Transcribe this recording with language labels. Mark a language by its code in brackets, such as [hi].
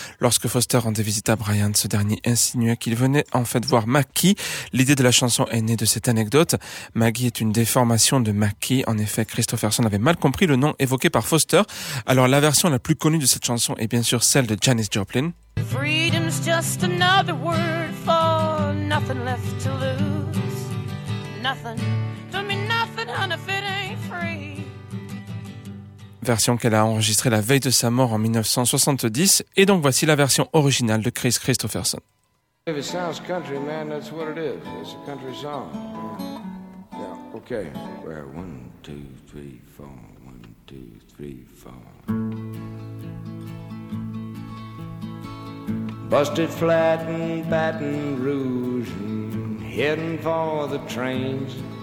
[fr] Lorsque Foster rendait visite à Bryant, ce dernier insinuait qu'il venait en fait voir McKee. L'idée de la chanson est née de cette anecdote. McGee est une déformation de McKee. En effet, Christopherson avait mal compris le nom évoqué par Foster. Alors la version la plus connue de cette chanson est bien sûr celle de Janis Joplin. [en] Freedom's just another word for nothing left to lose. Nothing, don't mean nothing, honey, if it ain't free. [fr] Version qu'elle a enregistrée la veille de sa mort en 1970, et donc voici la version originale de Chris Christopherson. [en] If it sounds country, man, that's what it is. It's a country song. Yeah, okay. Where one, two, three, four. One, two, three, four. Busted flat in Baton Rouge and heading for the trains.